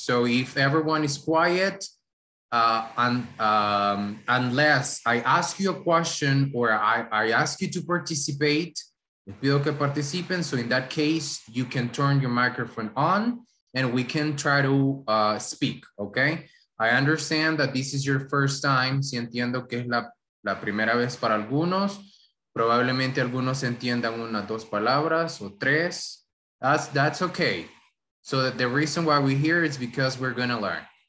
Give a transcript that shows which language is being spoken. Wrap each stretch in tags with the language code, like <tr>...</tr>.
<en>So if everyone is quiet, unless I ask you a question or I ask you to participate,</en> <es>les pido que participen.</es> <en>So in that case, you can turn your microphone on and we can try to speak, okay? I understand that this is your first time.</en> <es>Si entiendo que es la primera vez para algunos. Probablemente algunos entiendan unas dos palabras o tres.</es> <en>That's okay. So that the reason why we're here is because we're gonna learn.</en>